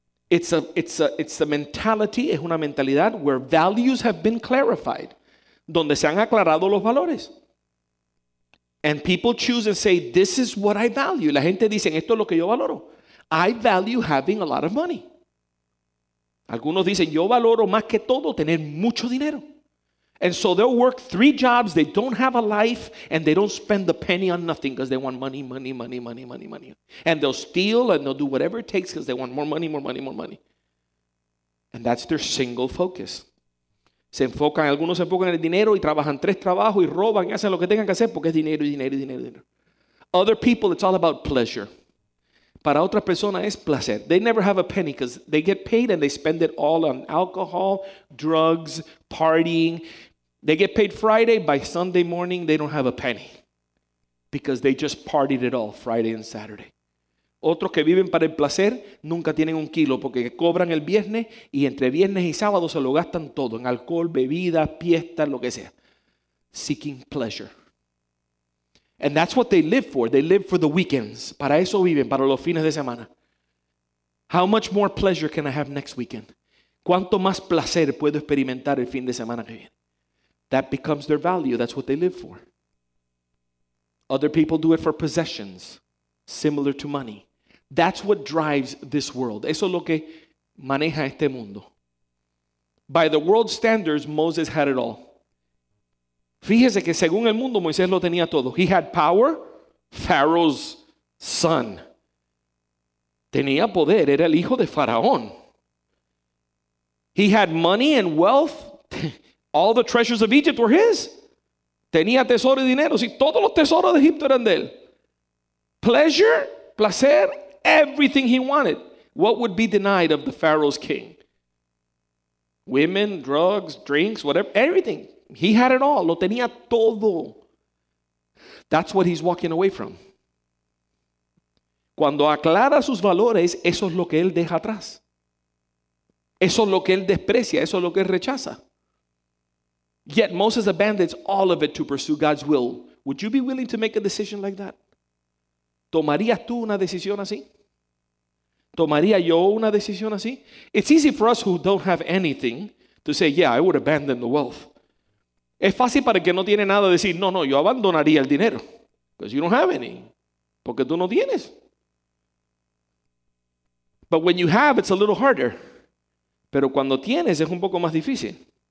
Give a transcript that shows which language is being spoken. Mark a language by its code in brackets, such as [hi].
[en] It's a mentality, [es] es una mentalidad [en] where values have been clarified, [es] donde se han aclarado los valores. [en] And people choose and say, this is what I value. [es] La gente dice, esto es lo que yo valoro. [en] I value having a lot of money. [es] Algunos dicen, yo valoro más que todo tener mucho dinero. [en] And so they'll work three jobs, they don't have a life, and they don't spend a penny on nothing because they want money, money, money, money, money, money. And they'll steal and they'll do whatever it takes because they want more money, more money, more money. And that's their single focus. [es] Se enfocan, algunos se enfocan en el dinero y trabajan tres trabajos y roban y hacen lo que tengan que hacer porque es dinero y dinero y dinero, dinero. [en] Other people, it's all about pleasure. [es] Para otra persona es placer. [en] They never have a penny because they get paid and they spend it all on alcohol, drugs, partying. They get paid Friday. By Sunday morning, they don't have a penny because they just partied it all Friday and Saturday. [es] Otros que viven para el placer nunca tienen un kilo porque cobran el viernes y entre viernes y sábado se lo gastan todo en alcohol, bebidas, fiestas, lo que sea. [en] Seeking pleasure. And that's what they live for. They live for the weekends. [es] Para eso viven, para los fines de semana. [en] How much more pleasure can I have next weekend? [es] ¿Cuánto más placer puedo experimentar el fin de semana que viene? [en] That becomes their value. That's what they live for. Other people do it for possessions. Similar to money. That's what drives this world. [es] Eso es lo que maneja este mundo. [en] By the world standards, Moses had it all. [es] Fíjese que según el mundo, Moisés lo tenía todo. [en] He had power, Pharaoh's son. [es] Tenía poder, era el hijo de Faraón. [en] He had money and wealth. All the treasures of Egypt were his. [es] Tenía tesoro y dinero. Sí, todos los tesoros de Egipto eran de él. [en] Pleasure, placer, everything he wanted. What would be denied of the Pharaoh's king? Women, drugs, drinks, whatever, everything. He had it all. [es] Lo tenía todo. [en] That's what he's walking away from. [es] Cuando aclara sus valores, eso es lo que él deja atrás. Eso es lo que él desprecia, eso es lo que él rechaza. [en] Yet Moses abandons all of it to pursue God's will. Would you be willing to make a decision like that? [es] ¿Tomarías tú una decisión así? ¿Tomaría yo una decisión así? [en] It's easy for us who don't have anything to say, yeah, I would abandon the wealth. [es] Es fácil para el que no tiene nada decir, no, no, yo abandonaría el dinero. [en] Because you don't have any. [es] Porque tú no tienes. [en] But when you have, it's a little harder. [es] Pero cuando tienes, es un poco más difícil.